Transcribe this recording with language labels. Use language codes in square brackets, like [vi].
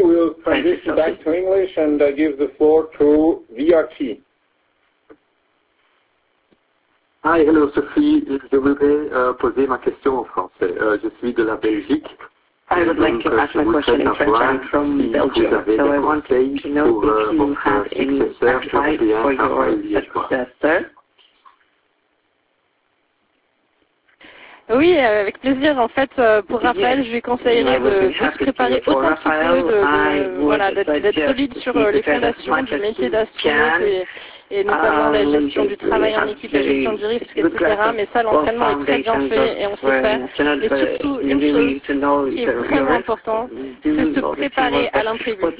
[en] We'll transition back to English and give the floor to VRT. Hi, hello Sophie. [fr] Je voudrais poser ma question en français. Je suis de la Belgique [en] I would like to ask my question in French. I'm from Belgium, so I wanted to know if you have any advice for your successor. [fr] Oui, avec plaisir. En fait, pour rappel, je lui conseillerais de se préparer autant qu'il peut, d'être solide sur les fondations du métier d'astronaute et notamment la gestion du travail en équipe, la gestion du risque, etc. Mais ça, l'entraînement est très bien fait et on sait faire. Et surtout, une chose qui est vraiment importante, c'est se préparer à l'imprévu.